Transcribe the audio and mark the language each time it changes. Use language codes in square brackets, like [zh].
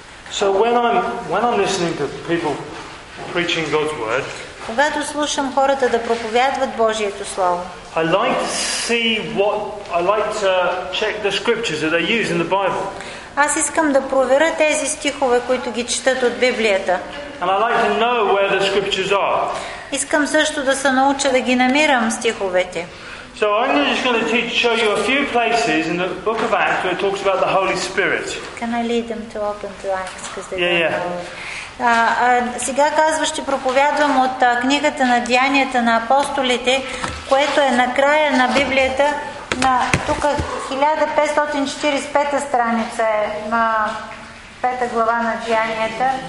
[en] So when I'm listening to people preaching God's word, [bg] когато слушам хората да проповядват Божието слово, [en] I like to see what I like to check the scriptures that they use in the Bible. [bg] Аз искам да проверя тези стихове, които ги четат от Библията. [en] And I like to know where the scriptures are. [bg] Искам също да се науча да ги намирам стиховете. [en] So I'm just going to teach, show you a few places in the book of Acts where it talks about the Holy Spirit. Can I lead them to open to Acts? [bg] Сега казва, ще проповядвам от книгата на Деянията на апостолите, което е на края на Библията, на тук 1545 страница е, на пета глава на Деянията.